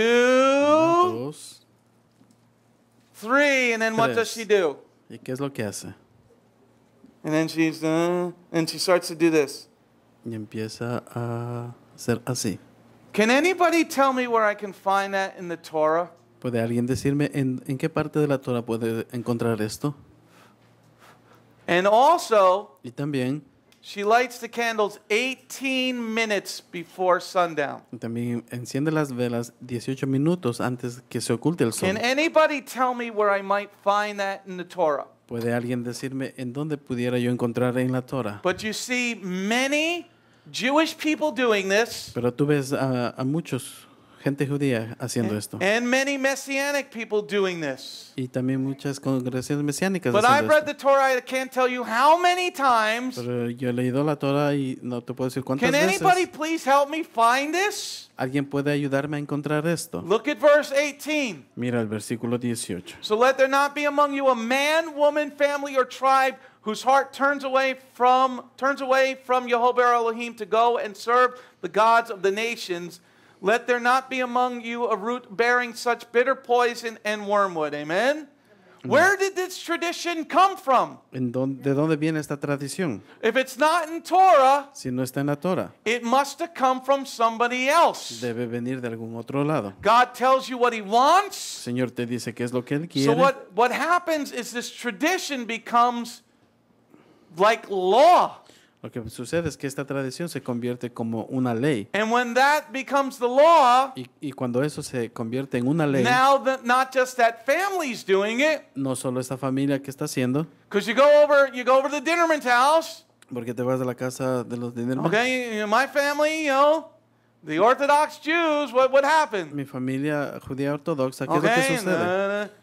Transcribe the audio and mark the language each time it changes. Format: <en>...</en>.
<es>uno, dos,</es> <en>three. And then</en> <es>tres.</es> <en>What does she do?</en> <es>¿Y qué es lo que hace?</es> <en>And then she's and she starts to do this.</en> <es>Y empieza a hacer así.</es> <en>Can anybody tell me where I can find that in the Torah?</en> <es>¿Puede alguien decirme en qué parte de la Torah puede encontrar esto?</es> <en>And also,</en> <es>y también,</es> <en>she lights the candles 18 minutes before sundown.</en> <es>También enciende las velas 18 minutos antes que se oculte el sol.</es> <en>Can anybody tell me where I might find that in the Torah?</en> <es>¿Puede alguien decirme en dónde pudiera yo encontrar en la Torah?</es> <en>But you see many Jewish people doing this.</en> <es>Pero tú ves a muchos gente judía haciendo esto.</es> <en>And many messianic people doing this.</en> <es>Y también muchas congregaciones mesiánicas.</es> <en>But I've read the Torah. I can't tell you how many times.</en> <es>Pero yo he leído la Torah y no te puedo decir cuántas veces.</es> <en>Can anybody please help me find this?</en> <es>¿Alguien puede ayudarme a encontrar esto?</es> <en>Look at verse 18.</en> <es>Mira el versículo 18.</es> <en>So let there not be among you a man, woman, family, or tribe whose heart turns away from Yehovah Elohim to go and serve the gods of the nations. Let there not be among you a root bearing such bitter poison and wormwood. Amen? Where did this tradition come from?</en> <es>¿De dónde viene esta tradición?</es> <en>If it's not in Torah,</en> <es>si no está en la Torah,</es> <en>it must have come from somebody else.</en> <es>Debe venir de algún otro lado.</es> <en>God tells you what he wants.</en> <es>Señor te dice qué es lo que él quiere.</es> <en>So what happens is this tradition becomes like law.</en> <es>Lo que sucede es que esta tradición se convierte como una ley.</es> <en>And when that becomes the law,</en> <es>y cuando eso se convierte en una ley,</es> <en>now that not just that family's doing it,</en> <es>no solo esta familia que está haciendo,</es> <en>because you go over to the Dinnerman's house,</en> <es>porque te vas de la casa de los Dinnerman.</es> <en>Okay, my family, you know, the Orthodox Jews, what happened?</en> <es>Mi familia judía ortodoxa, ¿qué es lo que sucede?</es>